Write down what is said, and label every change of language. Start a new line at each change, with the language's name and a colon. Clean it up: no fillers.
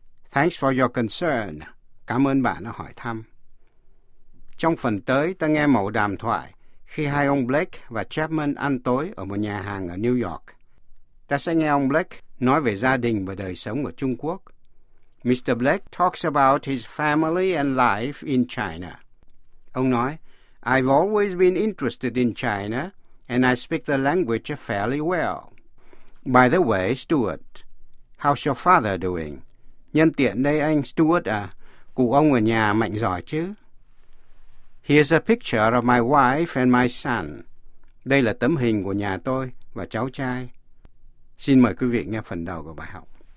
English: Thanks for your concern.
Vietnamese: Cảm ơn bạn đã hỏi thăm. Trong phần tới, ta nghe mẫu đàm thoại khi hai ông Blake và Chapman ăn tối ở một nhà hàng ở New York. Ta sẽ nghe ông Blake nói về gia đình và đời sống ở Trung Quốc.
English: Mr. Blake talks about his family and life in China.
Vietnamese: Ông nói,
English: I've always been interested in China and I speak the language fairly well. By the way, Stuart, how's your father doing?
Vietnamese: Nhân tiện đây anh Stuart à, cụ ông ở nhà mạnh giỏi chứ?
English: Here's a picture of my wife and my son.
Vietnamese: Đây là tấm hình của nhà tôi và cháu trai. Xin mời quý vị nghe phần đầu của bài học.